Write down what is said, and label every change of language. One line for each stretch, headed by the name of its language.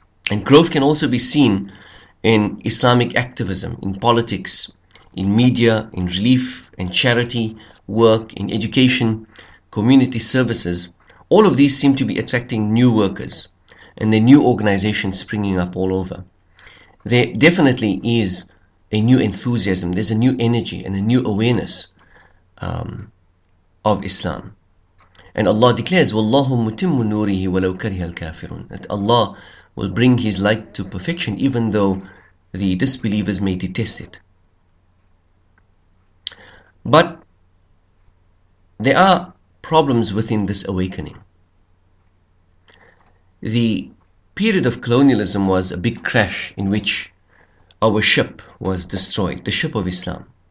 English: And growth can also be seen in Islamic activism, in politics, in media, in relief and charity work, in education, community services. All of these seem to be attracting new workers and the new organizations springing up all over. There definitely is a new enthusiasm, there's a new energy and a new awareness of Islam. And Allah declares,
Arabic: وَاللَّهُ مُتِمُّ نُورِهِ وَلَوْ كَرِهَ الْكَافِرُونَ,
English: that Allah will bring his light to perfection, even though the disbelievers may detest it. But there are problems within this awakening. The period of colonialism was a big crash in which our ship was destroyed, the ship of Islam.